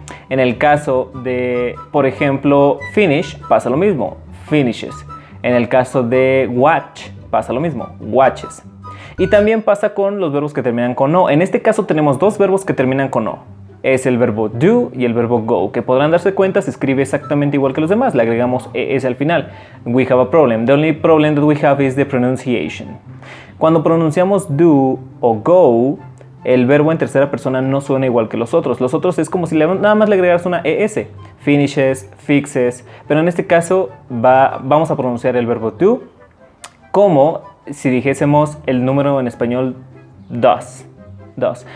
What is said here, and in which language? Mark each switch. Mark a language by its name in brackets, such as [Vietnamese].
[Spanish] En el caso de, por ejemplo, finish, pasa lo mismo, finishes. En el caso de watch, pasa lo mismo, watches. Y también pasa con los verbos que terminan con o. En este caso tenemos dos verbos que terminan con o. Es el verbo do y el verbo go, que podrán darse cuenta, se escribe exactamente igual que los demás. Le agregamos es al final. [English] We have a problem. The only problem that we have is the pronunciation. [Spanish] Cuando pronunciamos do o go, el verbo en tercera persona no suena igual que los otros. Los otros es como si nada más le agregaras una es. Finishes, fixes. Pero en este caso vamos a pronunciar el verbo do como si dijésemos el número en español does. Dos.